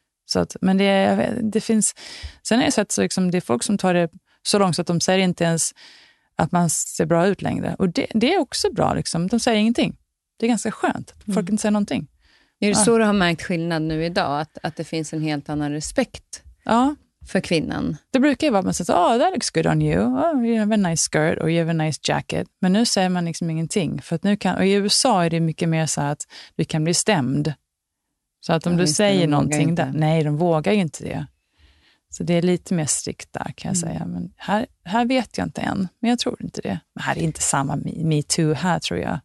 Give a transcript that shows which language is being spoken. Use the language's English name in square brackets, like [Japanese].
[Swedish] Så att, men det finns, sen har jag sett så liksom, det är folk som tar det så långt så att de säger inte ens att man ser bra ut längre. Och det är också bra. Liksom. De säger ingenting. Det är ganska skönt. Folk inte säger någonting. Är det så du har märkt skillnad nu idag? Att det finns en helt annan respekt för kvinnan? Det brukar ju vara att man säger, [English] that looks good on you. Oh, you have a nice skirt or you have a nice jacket. [Swedish] Men nu säger man liksom ingenting. För att nu kan, och i USA är det mycket mer så att vi kan bli stämd. Så att om du säger någonting där. Nej, de vågar ju inte det. Så det är lite mer strikt där, kan jag säga. Men här vet jag inte än, men jag tror inte det. Men här är inte samma Me Too här, tror jag.